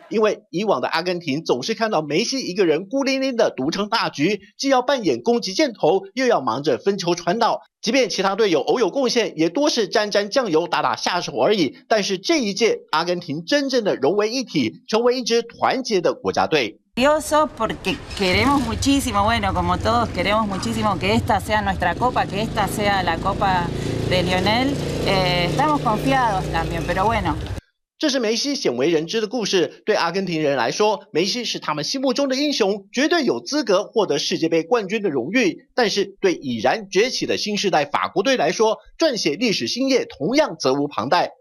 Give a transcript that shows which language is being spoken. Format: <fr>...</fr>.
<zh>因为以往的阿根廷总是看到梅西一个人孤零零的独撑大局，既要扮演攻击箭头，又要忙着分球传导。即便其他队友偶有贡献，也多是沾沾酱油、打打下手而已。但是这一届，阿根廷真正的融为一体，成为一支团结的国家队。</zh> <es>Nervioso porque queremos muchísimo, bueno, como todos queremos muchísimo que esta sea nuestra copa, que esta sea la copa de Lionel. Estamos confiados también, pero bueno.</es> <zh>这是梅西鲜为人知的故事。对阿根廷人来说，梅西是他们心目中的英雄，绝对有资格获得世界杯冠军的荣誉。但是对已然崛起的新时代法国队来说，撰写历史新页同样责无旁贷。</zh>